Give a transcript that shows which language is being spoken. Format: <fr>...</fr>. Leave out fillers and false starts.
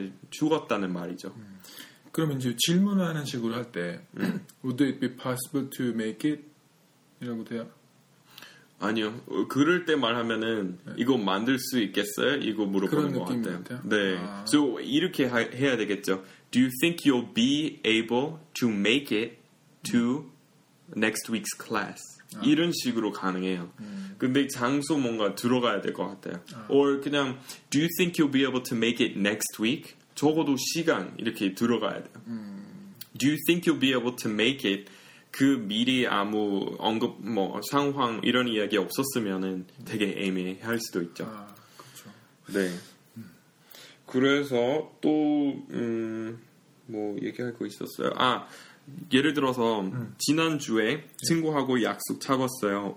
<ko>죽었다는 말이죠 그럼 이제 질문하는 식으로 할 때</ko> <en>Would it be possible to make it?</en> <ko>이라고 돼요? 아니요. 그럴 때 말하면은 이거 만들 수 있겠어요? 이거 물어보는 것 같아요. 네. 아. So 이렇게 해야 되겠죠.</ko> <en>Do you think you'll be able to make it to next week's class?</en> <ko>아. 이런 식으로 가능해요. 근데 장소 뭔가 들어가야 될 것 같아요. 아.</ko> <en>Or 그냥 Do you think you'll be able to make it next week?</en> <ko>적어도 시간 이렇게 들어가야 돼요.</ko> <en>Do you think you'll be able to make it?</en> <ko>그 미리 아무 언급, 뭐 상황 이런 이야기 없었으면 되게 애매할 수도 있죠. 아, 네. 그래서 또 뭐 얘기할 거 있었어요. 아 예를 들어서 지난 주에 친구하고 약속 잡았어요.</ko>